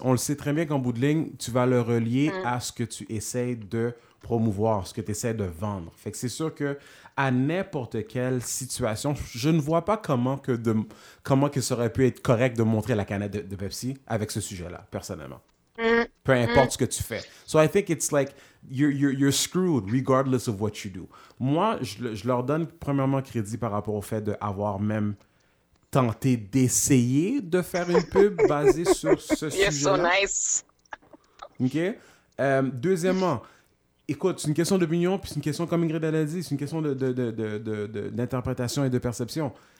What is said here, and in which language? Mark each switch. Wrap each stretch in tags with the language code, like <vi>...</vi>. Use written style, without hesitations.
<fr>On le sait très bien qu'en bout de ligne, tu vas le relier à ce que tu essayes de promouvoir, ce que tu essaies de vendre. Fait que c'est sûr que à n'importe quelle situation, je ne vois pas comment que ça aurait pu être correct de montrer la canette de Pepsi avec ce sujet-là, personnellement. Peu importe ce que tu fais.</fr> <en>So I think it's like you're screwed regardless of what you do.</en> <fr>Moi, je leur donne premièrement crédit par rapport au fait d'avoir même tenté d'essayer de faire une pub basée sur ce sujet-là.</fr> <en>You're so nice.</en> <fr>OK? Deuxièmement, écoute, c'est une question d'opinion, puis c'est une question, comme Ingrid l'a dit, c'est une question de d'interprétation et de perception.</fr>